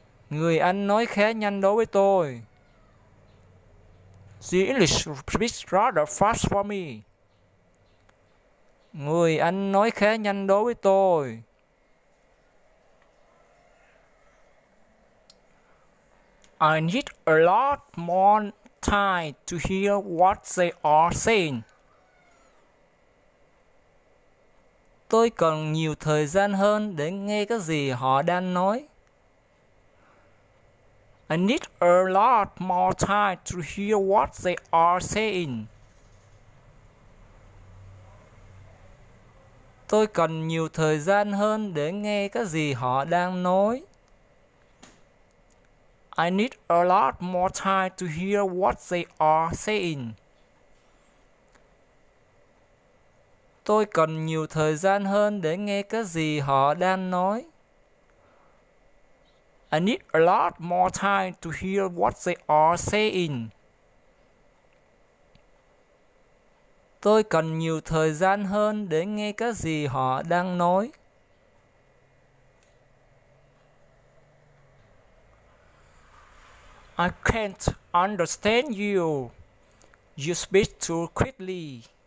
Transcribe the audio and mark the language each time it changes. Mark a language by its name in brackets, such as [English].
[Vietnamese] Người Anh nói khá nhanh đối với tôi. [English] The English speaks rather fast for me. [Vietnamese] Người Anh nói khá nhanh đối với tôi. [English] I need a lot more time to hear what they are saying. [Vietnamese] Tôi cần nhiều thời gian hơn để nghe cái gì họ đang nói. [English] I need a lot more time to hear what they are saying. [Vietnamese] Tôi cần nhiều thời gian hơn để nghe cái gì họ đang nói. [English] I need a lot more time to hear what they are saying. [Vietnamese] Tôi cần nhiều thời gian hơn để nghe cái gì họ đang nói. [English] I need a lot more time to hear what they are saying. [Vietnamese] Tôi cần nhiều thời gian hơn để nghe cái gì họ đang nói. [English] I can't understand you. You speak too quickly.